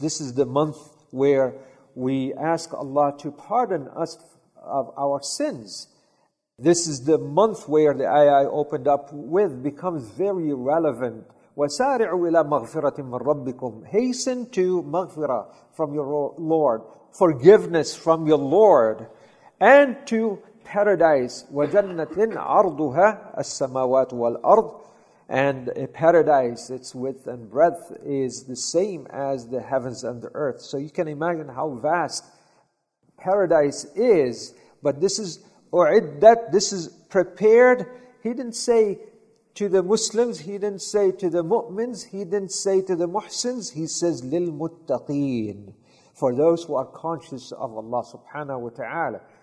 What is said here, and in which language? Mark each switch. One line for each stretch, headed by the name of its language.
English: This is the month where we ask Allah to pardon us of our sins. This is the month where the ayah I opened up with becomes very relevant.
Arabic: وَسَارِعُوا إِلَى مَغْفِرَةٍ مِّن رَّبِّكُمْ.
English: Hasten to maghfirah from your Lord, forgiveness from your Lord, and to
Arabic: paradise, وَجَنَّةٍ عَرْضُهَا السَّمَاوَاتُ وَالْأَرْضُ.
English: And a paradise, its width and breadth is the same as the heavens and the earth. So you can imagine how vast paradise is. But this is أُعِدَّتْ, this is prepared. He didn't say to the Muslims, he didn't say to the mu'mins, he didn't say to the muhsins, he says لِلْمُتَّقِينَ, for those who are conscious of Allah subhanahu wa ta'ala.